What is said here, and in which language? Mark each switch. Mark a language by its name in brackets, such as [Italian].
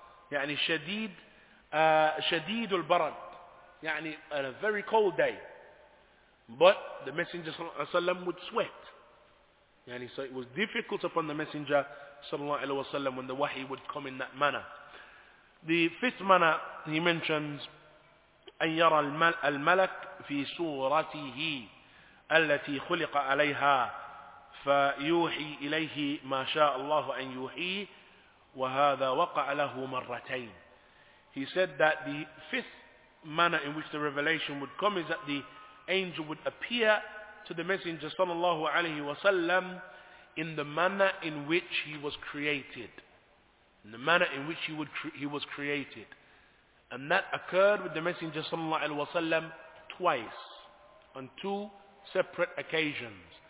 [Arabic] يعني شديد شديد البرد يعني [English] on a very cold day, but the Messenger صلى الله عليه وسلم would sweat, يعني so it was difficult upon the Messenger صلى الله عليه وسلم when the wahi would come in that manner. The fifth manner he mentions, [Arabic] أن يرى الملك في صورته التي خلق عليها فيوحي إليه ما شاء الله أن يوحيه. وهذا وقع له مرتين. He [English] he said that the fifth manner in which the revelation would come is that the angel would appear to the messenger sallallahu alayhi wa sallam in the manner in which he was created. In the manner in which he was created. And that occurred with the messenger sallallahu alayhi wa sallam twice, on two separate occasions.